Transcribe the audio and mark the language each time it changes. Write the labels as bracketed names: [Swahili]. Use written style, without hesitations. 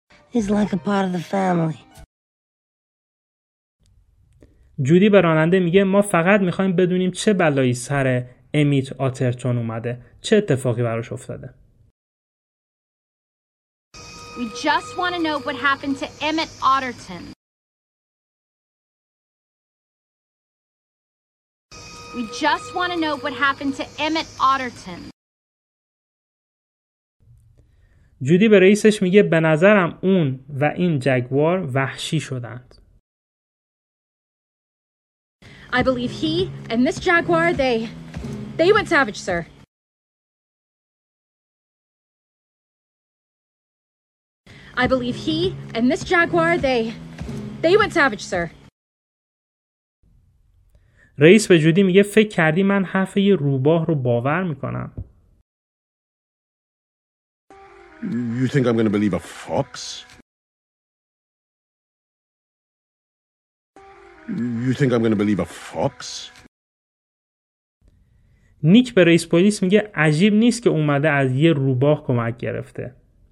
[English] He's like a part of the family. [Persian] جودی به راننده میگه ما فقط میخوایم بدونیم چه بلایی سر امیت آترتون اومده. چه اتفاقی براش افتاده؟ [English] We just want to know what happened to Emmett Otterton. We just want to know what happened to Emmett Otterton. [Persian] جودی به رئیسش میگه به نظرم اون و این جگوار وحشی شدند. [English] I believe he and this jaguar they went savage, sir. I believe he and this jaguar they went savage, sir. [Persian] رئیس به جودی میگه فکر کردی من حرف یه روباه رو باور میکنم؟ [English] You think I'm going to believe a fox? You think I'm going to believe a fox? [Persian] نیک به رئیس پلیس میگه عجیب نیست که اومده از یه روباه کمک گرفته.